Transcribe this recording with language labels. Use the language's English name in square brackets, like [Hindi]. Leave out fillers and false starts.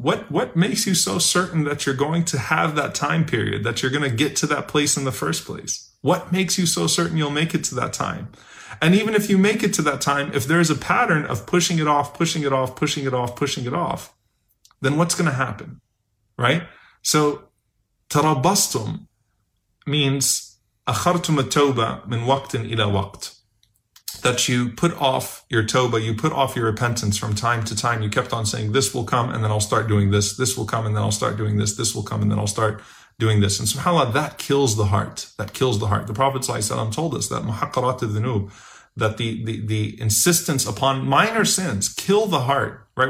[English] What makes you so certain that you're going to have that time period, that you're going to get to that place in the first place? What makes you so certain you'll make it to that time? And even if you make it to that time, if there's a pattern of pushing it off, pushing it off, pushing it off, pushing it off, then what's going to happen, right? So tarabbastum means [Arabic] أخرتم التوبة من وقت إلى وقت. [English] That you put off your tawbah, you put off your repentance from time to time. You kept on saying, this will come and then I'll start doing this. This will come and then I'll start doing this. This will come and then I'll start doing this. And subhanAllah, that kills the heart. That kills the heart. The Prophet ﷺ told us that [Arabic] محقرات الذنوب, [English] that the insistence upon minor sins kill the heart, right?